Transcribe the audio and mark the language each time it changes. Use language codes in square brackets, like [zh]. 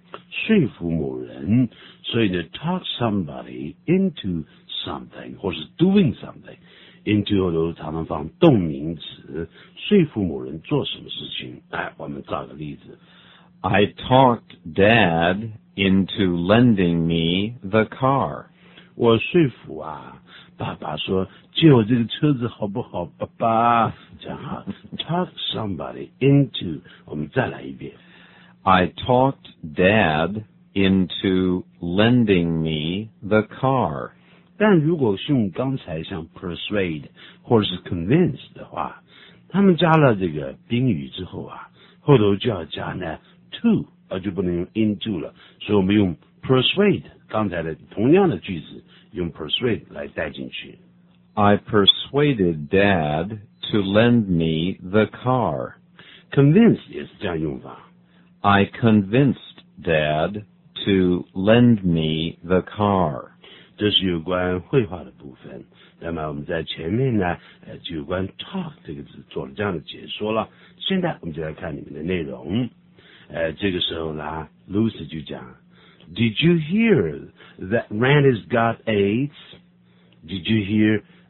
[zh] 说服某人, 所以呢, talk somebody into something, 或是 doing something, into 后头常常放动名词, 说服某人做什么事情, 哎, 我们找个例子, [en] I talked Dad into lending me the car. [zh] 我说服啊, 爸爸说, 借我这个车子好不好,爸爸? 这样啊, talk somebody into, 我们再来一遍, [en] I talked Dad into lending me the car. [zh] 但如果是用刚才像 persuade 或者是 convince 的话, 他们加了这个宾语之后啊, 后头就要加呢, to, 而就不能用 into了, 所以我们用 persuade, 刚才的同样的句子, 用 persuade 来带进去。 [en] I persuaded Dad to lend me the car. [zh] Convince 也是这样用法。 [en] I convinced Dad to lend me the car. [zh] 这是有关绘画的部分, 那么我们在前面呢, 就有关 talk 这个字做了这样的解说了, 现在我们就来看里面的内容。这个时候呢, Lucy 就讲, [en] Did you hear that Randy's got AIDS? Did you hear?